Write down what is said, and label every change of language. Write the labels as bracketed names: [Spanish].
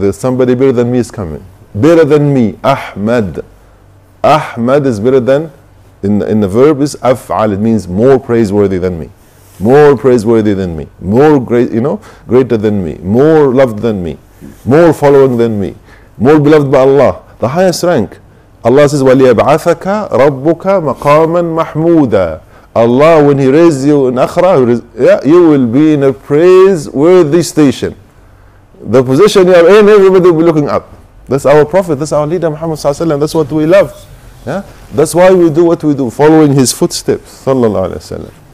[English] There's somebody better than me is coming. Better than me, Ahmad. Ahmad is better than, in the verb is af'al, it means more praiseworthy than me. More praiseworthy than me, more great, you know, greater than me, more loved than me, more following than me, more beloved by Allah, the highest rank. Allah says, [Arabic] وَلِيَبْعَثَكَ رَبُّكَ مَقَامًا مَحْمُودًا. [English] Allah, when He raises you in Akhira, you will be in a praiseworthy station. The position you are in, everybody will be looking up. That's our Prophet, that's our leader Muhammad Sallallahu Alaihi Wasallam. That's what we love. Yeah? That's why we do what we do, following his footsteps, Sallallahu Alaihi Wasallam.